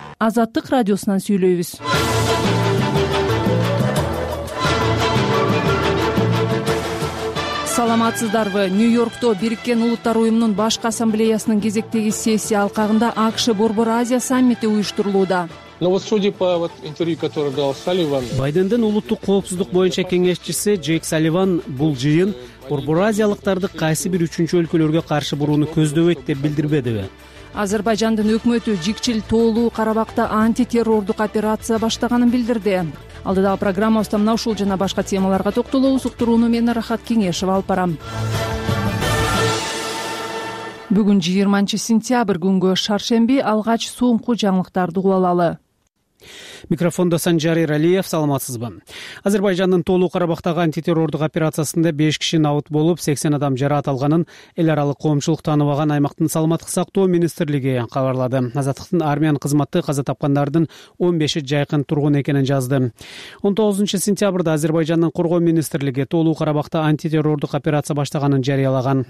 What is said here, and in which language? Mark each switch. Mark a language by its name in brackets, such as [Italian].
[Kyrgyz] Азаттык радиосунан сүйлөйбүз. Саламатсыздарбы. Нью-Йоркто Бириккен Улуттар Уюмунун Башкы Ассамблеясынын кезектеги сессия алкагында АКШ Борбор Азия саммити уюштурулууда. [Russian] Но вот судя по вот интервью, которое дал Салливан. [Kyrgyz] Байдендин улуттук коопсуздук боюнча кеңешчиси Джейк Салливан бул жыйын Борбор Азиялыктарды кайсы бир үчүнчү өлкөлөргө каршы бурууну көздөбөйт деп билдирбедиби? Азербайджандын өкмөтү Жикчил тоолуу Карабакта антитеррордук операция баштаганын билдирди. Алдыдагы программабызда мына ушул жана башка темаларга токтолобуз. Уктурууну мен Рахат Кеңешов алып барам. Бүгүн 20-сентябрь, күнгө шаршемби, алгач соңку жаңылыктарды кубалалы. Микрофондо Санжар Эралиев, саламатсызбы. Азербайджандын Тоолуу Карабактагы антитеррордук операциясында 5 киши наут болуп, 80 адам жараат алганын эл аралык коомчулук тааныбаган аймактын саламаттык сактоо министрлиги кабарлады. Азаттыктын армиянын кызматы каза тапкандардын 15 жайкын тургун экенин жазды. 19-сентябрда Азербайджандын коргоо министрлиги Тоолуу Карабакта антитеррордук операция баштаганын жарыялаган.